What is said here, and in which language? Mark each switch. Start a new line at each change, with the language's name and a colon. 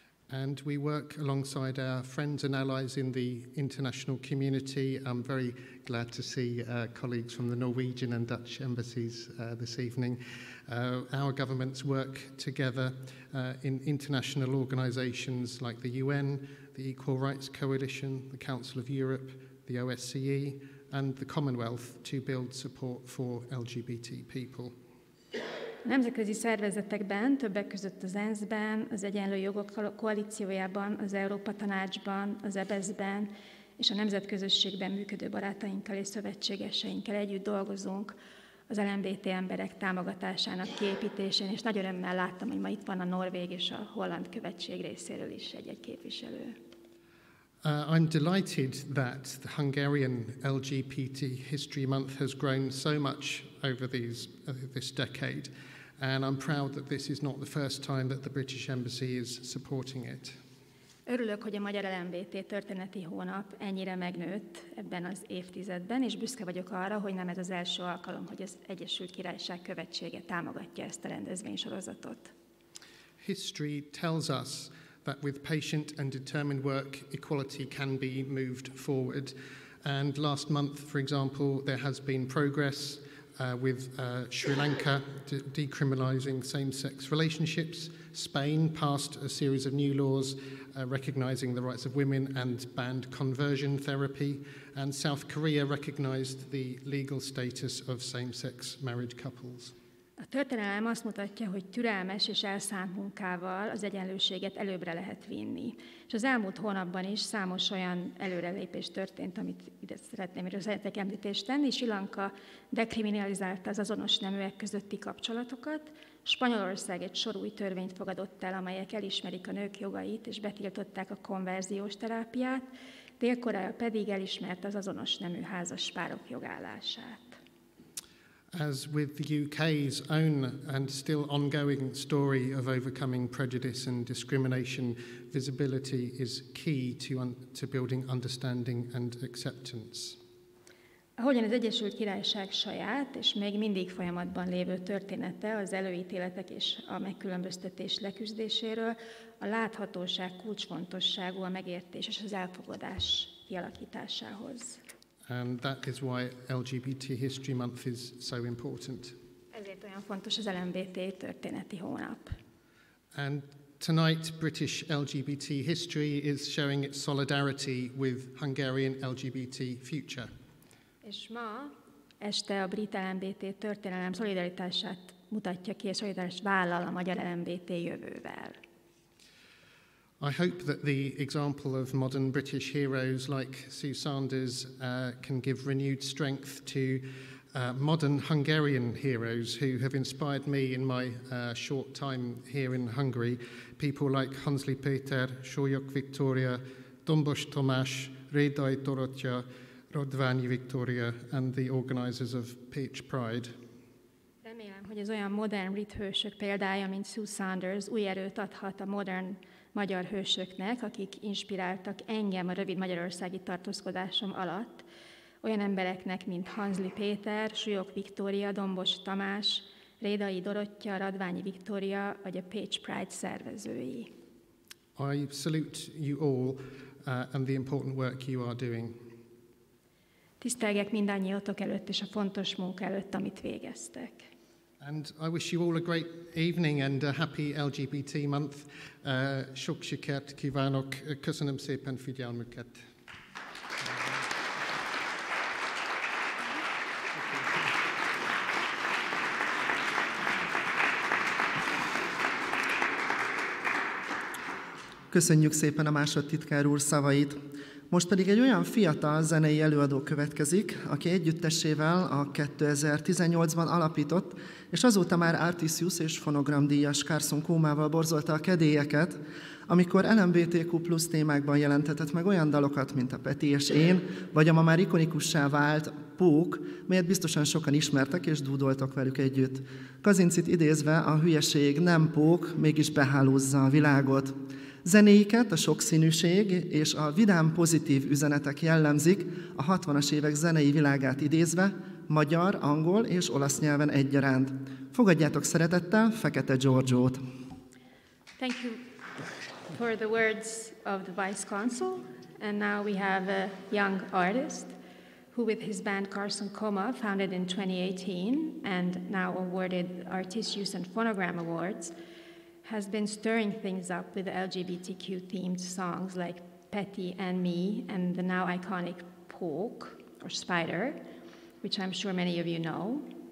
English: And we work alongside our friends and allies in the international community. I'm very glad to see colleagues from the Norwegian and Dutch embassies this evening. Our governments work together in international organizations like the UN, the Equal Rights Coalition, the Council of Europe, the OSCE, and the Commonwealth to build support for LGBT people.
Hungarian: A nemzetközi szervezetekben, többek között az ENSZ-ben, az Egyenlő Jogok Koalíciójában, az Európa Tanácsban, az EBSZ-ben és a nemzetközösségben működő barátainkkal és szövetségeseinkkel együtt dolgozunk az LMBT emberek támogatásának kiépítésén, és nagy örömmel láttam, hogy ma itt van a norvég és a holland követség részéről is egy-egy képviselő.
English: I'm delighted that the Hungarian LGBT History Month has grown so much over this decade, and I'm proud that this is not the first time that the British Embassy is supporting it.
Hungarian: Örülök, hogy a Magyar LMBT Történeti Hónap ennyire megnőtt ebben az évtizedben, és büszke vagyok arra, hogy nem ez az első alkalom, hogy az Egyesült Királyság Követsége támogatja ezt a rendezvénysorozatot.
English: History tells us that with patient and determined work, equality can be moved forward. And last month, for example, there has been progress with Sri Lanka decriminalizing same-sex relationships. Spain passed a series of new laws recognizing the rights of women and banned conversion therapy. And South Korea recognized the legal status of same-sex married couples.
Hungarian: A történelem azt mutatja, hogy türelmes és elszánt munkával az egyenlőséget előbbre lehet vinni. És az elmúlt hónapban is számos olyan előrelépés történt, amit ide szeretném röszeretek említést tenni. Sri Lanka dekriminalizálta az azonos neműek közötti kapcsolatokat. Spanyolország egy sor új törvényt fogadott el, amelyek elismerik a nők jogait és betiltották a konverziós terápiát. Dél-Korea pedig elismerte az azonos nemű házas párok jogállását.
English: As with the UK's own and still ongoing story of overcoming prejudice and discrimination, visibility is key to building understanding and acceptance.
Hungarian: Ahogyan az Egyesült Királyság saját és még mindig folyamatban lévő története az előítéletek és a megkülönböztetés leküzdéséről, a láthatóság kulcsfontosságú a megértés és az elfogadás kialakításához.
English: And that is why LGBT History Month is so important.
Hungarian: Ezért olyan fontos az LMBT történeti hónap.
English: And tonight, British LGBT history is showing its solidarity with Hungarian LGBT future.
Hungarian: És ma este a brit LMBT történelem szolidaritását mutatja ki, szolidaritást vállal a magyar LMBT jövővel.
English: I hope that the example of modern British heroes like Sue Sanders can give renewed strength to modern Hungarian heroes who have inspired me in my short time here in Hungary. People like Hansli Péter, Sólyok Viktória, Dombos Tomás, Rédai Dorottya, Rodványi Viktória and the organisers of Peach Pride.
Hungarian: Remélem, hogy az olyan modern brit hősök példája, mint Sue Sanders, új erőt adhat a modern magyar hősöknek, akik inspiráltak engem a rövid magyarországi tartózkodásom alatt, olyan embereknek, mint Hansli Péter, Sólyok Viktória, Dombos Tamás, Rédai Dorottya, Radványi Viktória, vagy a Peach Pride szervezői.
English: I salute you all and the important work you are doing.
Hungarian: Tisztelgek mindannyiótok előtt és a fontos munka előtt, amit végeztek.
English: And I wish you all a great evening and a happy LGBT month.
Hungarian: Sok sikert kívánok, köszönöm szépen figyelmüket. Köszönjük szépen a másodtitkár úr szavait. Most pedig egy olyan fiatal zenei előadó következik, aki együttesével a 2018-ban alapított, és azóta már Artisius és Fonogram díjas Carson Comával borzolta a kedélyeket, amikor LMBTQ plusz témákban jelentetett meg olyan dalokat, mint a Peti és én, vagy a ma már ikonikussá vált Pók, melyet biztosan sokan ismertek és dúdoltak velük együtt. Kazincit idézve, a hülyeség nem pók, mégis behálózza a világot. Zenéiket a sokszínűség és a vidám pozitív üzenetek jellemzik, a 60-as évek zenei világát idézve, magyar, angol és olasz nyelven egyaránt. Fogadjátok szeretettel Fekete Giorgiót.
English: Thank you for the words of the Vice Consul. And now we have a young artist who with his band Carson Coma founded in 2018 and now awarded Artisius and Phonogram Awards has been stirring things up with LGBTQ-themed songs like Petty and Me and the now iconic Pork or Spider, which I'm sure many of you know.